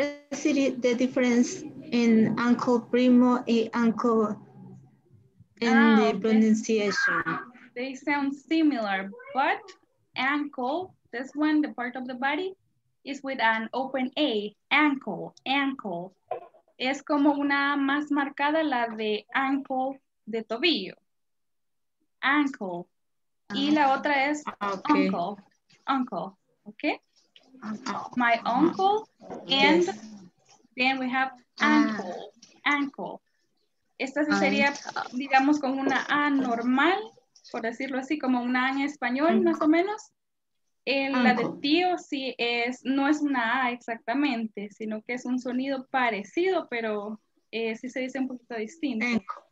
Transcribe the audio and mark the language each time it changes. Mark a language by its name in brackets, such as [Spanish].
[English] What is the difference in uncle primo and uncle in the pronunciation? They sound similar, but ankle, this one, the part of the body, is with an open A, ankle, ankle. [Spanish] Es como una más marcada la de ankle, de tobillo. Ankle. Y la otra es uncle, uncle, okay? [English] My uncle, and then we have ankle, ankle. Esta sí sería, digamos, con una A normal, por decirlo así, como una A en español, más o menos. En la de tío sí es, no es una A exactamente, sino que es un sonido parecido, pero sí se dice un poquito distinto.